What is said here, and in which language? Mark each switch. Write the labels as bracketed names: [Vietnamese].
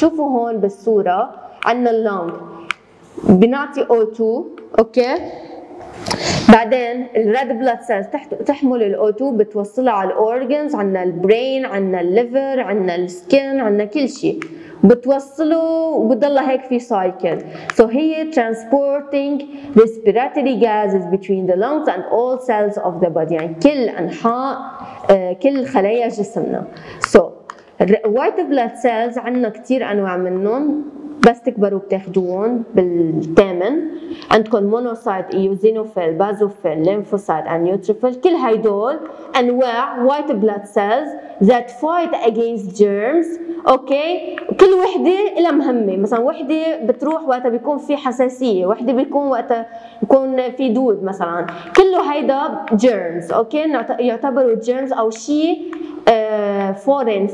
[Arabic] شوفوا هون بالصورة عنا اللونج بنعطي O2. اوكي؟ بعدين الريد بلاد سيلز تحمل ال O2 بتوصلها على الأورجنز، عنا البرين، عنا الليفر، عنا السكين، عنا كل شيء بتوصله وبضلها هيك في سايكل. [English] So هي transporting respiratory gases between the lungs and all cells of the body، [Arabic] يعني كل أنحاء كل خلايا جسمنا. [English] So white blood cells [Arabic] عندنا كتير أنواع منهم، بس تكبروا بتاخدوهم بالثامن. عندكم مونوسايت، ايوزينوفيل، بازوفيل، لينفوسايت [English] and neutrophil. [Arabic] كل هيدول أنواع [English] white blood cells that fight against germs. [Arabic] اوكي؟ كل وحدة لها مهمة، مثلا وحدة بتروح وقتها بيكون في حساسية، وحدة بيكون وقتها بيكون في دود مثلا، كله هيدا germs. اوكي؟ يعتبروا germs أو شيء foreign.